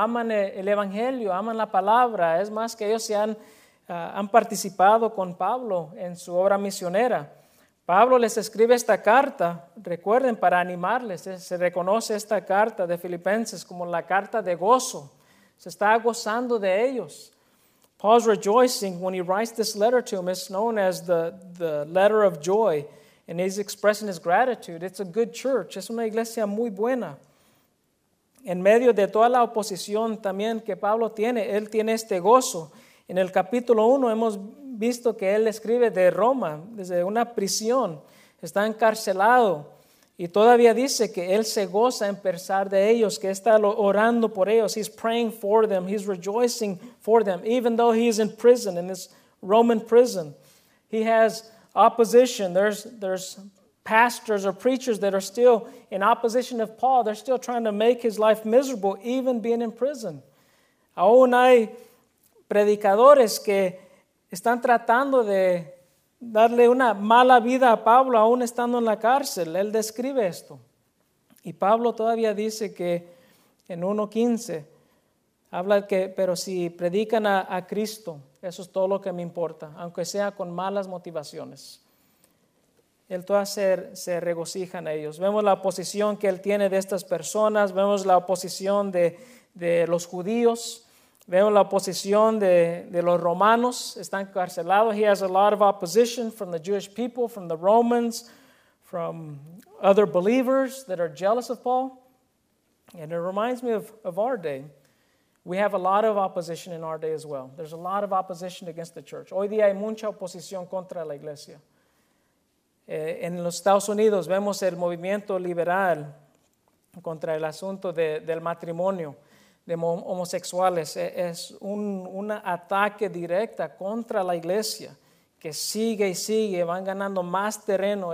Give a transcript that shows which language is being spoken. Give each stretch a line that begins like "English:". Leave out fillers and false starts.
Spanish: Aman el evangelio, aman la palabra. Es más que ellos se han participado con Pablo en su obra misionera. Pablo les escribe esta carta, recuerden, para animarles. Se reconoce esta carta de Filipenses como la carta de gozo. Se está gozando de ellos.
English: Paul's rejoicing when he writes this letter to him is known as the letter of joy, and he's expressing his gratitude. It's a good church.
Spanish: Es una iglesia muy buena. En medio de toda la oposición también que Pablo tiene, él tiene este gozo. En el capítulo 1 hemos visto que él escribe de Roma, desde una prisión. Está encarcelado y todavía dice que él se goza en pensar de ellos, que está orando por ellos.
English: He's praying for them. He's rejoicing for them, even though he's in prison, in this Roman prison. He has opposition. There's pastors or preachers that are still in opposition of Paul. They're still trying to make his life miserable, even being in prison.
Spanish: Aún hay predicadores que están tratando de darle una mala vida a Pablo aún estando en la cárcel. Él describe esto. Y Pablo todavía dice que en 1:15 habla que, pero si predican a Cristo, eso es todo lo que me importa, aunque sea con malas motivaciones. Él todavía se regocija en ellos. Vemos la oposición que él tiene de estas personas. Vemos la oposición de los judíos. Vemos la oposición de los romanos, están encarcelados.
English: He has a lot of opposition from the Jewish people, from the Romans, from other believers that are jealous of Paul. And it reminds me of our day. We have a lot of opposition in our day as well. There's a lot of opposition against the church.
Spanish: Hoy día hay mucha oposición contra la iglesia. En los Estados Unidos vemos el movimiento liberal contra el asunto del matrimonio de homosexuales. Es un ataque directo contra la iglesia que sigue y sigue, van ganando más terreno.